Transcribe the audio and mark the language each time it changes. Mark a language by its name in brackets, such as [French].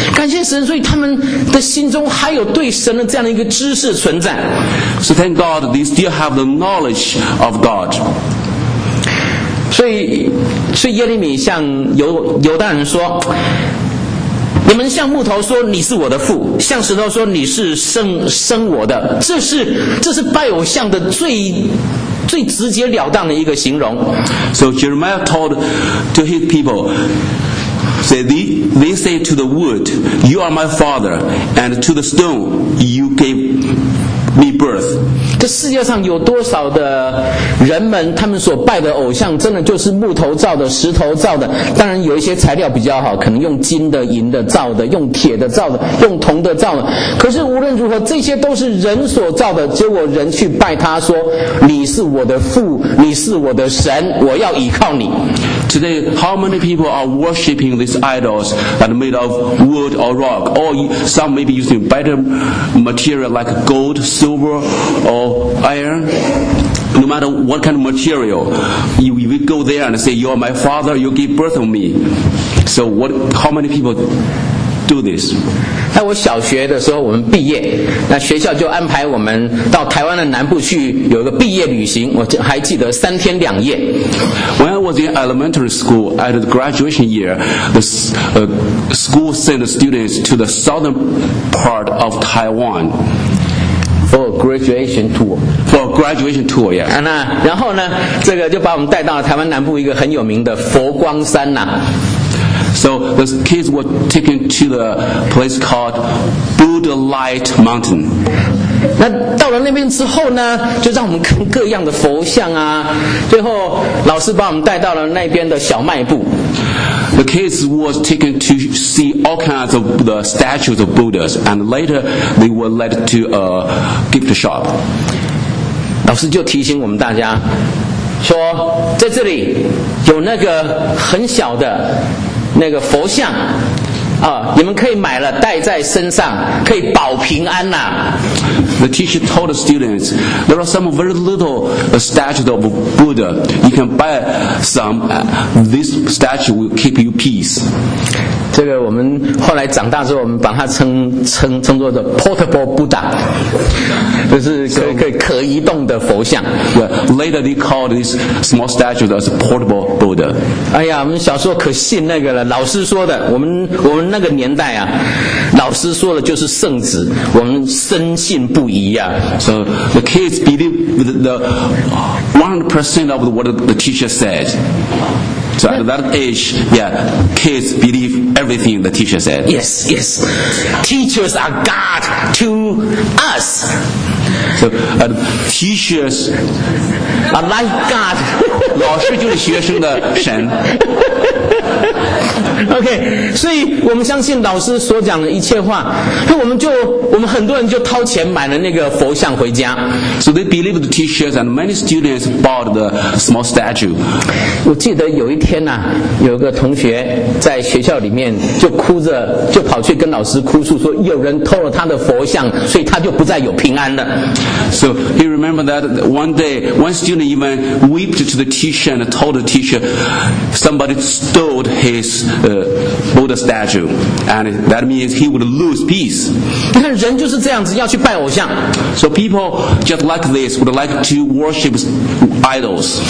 [Chinese] 感谢神，所以他们的心中还有对神的这样的一个知识存在。 [English] So thank God they still have the knowledge of God. [Chinese] 所以耶利米向犹大人说，你们向木头说你是我的父，向石头说你是生我的，这是拜偶像的最直截了当的一个形容。 [English] So Jeremiah told to his people, they say to the wood, you are my father, and to the stone, you gave me birth. [Chinese] 这世界上有多少的人们，他们所拜的偶像真的就是木头造的、石头造的，当然有一些材料比较好，可能用金的、银的造的、用铁的造的、用铜的造的，可是无论如何这些都是人所造的，结果人去拜他说，你是我的父，你是我的神，我要依靠你。 [English] Today, how many people are worshipping these idols that are made of wood or rock, or some may be using better material like gold, silver or iron? No matter what kind of material, you will go there and say, you are my father, you give birth of me. So how many people do this? [Chinese] 在我小学的时候我们毕业，那学校就安排我们到台湾的南部去有一个毕业旅行，我还记得三天两夜。 [English] When I was in elementary school at the graduation year, the school sent the students to the southern part of Taiwan. For a graduation tour, yeah. [Chinese] 那然后呢，这个就把我们带到了台湾南部一个很有名的佛光山呐。 [English] So the kids were taken to the place called Buddha Light Mountain. [Chinese] 那到了那边之后呢，就让我们看各样的佛像啊。最后老师把我们带到了那边的小卖部。 [English] The kids was taken to see all kinds of the statues of Buddhas, and later they were led to a gift shop. [Chinese] 老师就提醒我们大家说，在这里有那个很小的那个佛像啊，你们可以买了带在身上，可以保平安呐。 [English] The teacher told the students, there are some very little statues of Buddha. You can buy some. This statue will keep you peace. [Chinese] 这个我们后来长大之后，我们把它称作的 [English] portable Buddha， [Chinese] 就是可移动的佛像。 [English] Yeah, later they called this small statue as portable Buddha. [Chinese] 哎呀，我们小时候可信那个了，老师说的。我们那个年代啊，老师说的就是圣旨，我们深信不疑啊。 [English] So the kids believe the 100% of what the teacher said. So at that age, yeah, kids believe everything the teacher said. Yes, yes. Teachers are God to us. So teachers are like God. [Chinese] 老师就是学生的神。 OK， 所以我们相信老师所讲的一切话，那我们很多人就掏钱买了那个佛像回家。 [English] So they believed the teachers, and many students bought the small statue. [Chinese] 我记得有一天呐、啊，有个同学在学校里面就哭着就跑去跟老师哭诉说，有人偷了他的佛像，所以他就不再有平安了。 [English] So he remembered that one day, one student even wept to the teacher and told the teacher, somebody stole his Buddha statue, and that means he would lose peace. [Chinese] 你看，人就是这样子，要去拜偶像。 [English] So people just like this would like to worship idols.